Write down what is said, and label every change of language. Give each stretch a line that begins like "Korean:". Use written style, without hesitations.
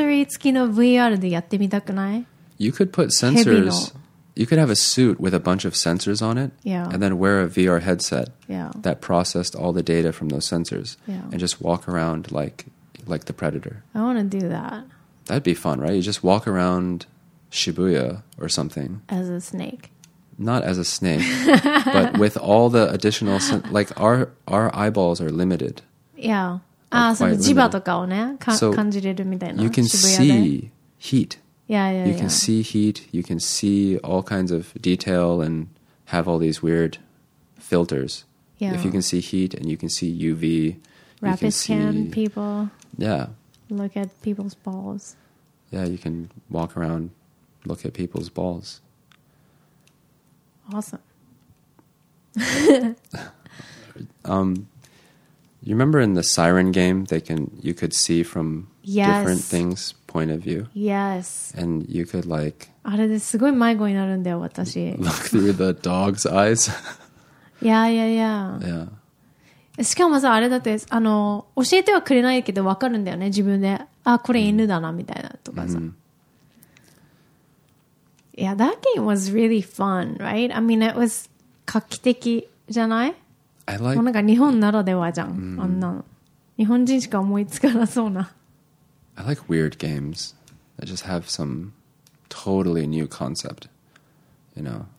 Japanese: なんかそれをさ、VRで、そのセンサリー付きのVRでやってみたくない?
English: You could put sensors, you could have a suit with a bunch of sensors on it, yeah. and then wear a VR headset yeah. that processed all the data from those sensors yeah. and just walk around like the Predator. I want to do that. That'd be fun, right? You just walk around Shibuya or something. As a snake. Not as a snake, but with all the additional, like our eyeballs are limited. Yeah.
Japanese: その磁場とかをね、感じれるみたいな。
English: You can see heat. Yeah. You can see heat, you can see all kinds of detail and have all these weird filters. Yeah. If you can see heat and you can see UV, rapid scan people. Yeah. Look at people's balls. Yeah, you can walk around, look at people's balls. Awesome. You remember in the Siren game, they can you could see from different things. Point of view. Yes. And you could like.
Japanese: あれですごい迷子になるんだよ私.
English: Look through the dog's eyes. Yeah.
Japanese: しかもさあれだってあの教えてはくれないけどわかるんだよね自分であこれ犬だなみたいなとかさ. Mm-hmm.
English: Yeah, that game was really fun, right? I mean, it was
Japanese: 画期的じゃない?
English: I like.
Japanese: もうなんか日本ならではじゃん. Mm-hmm. あんな日本人しか思いつかなそうな.
English: I like weird games that just have some totally new concept, you know.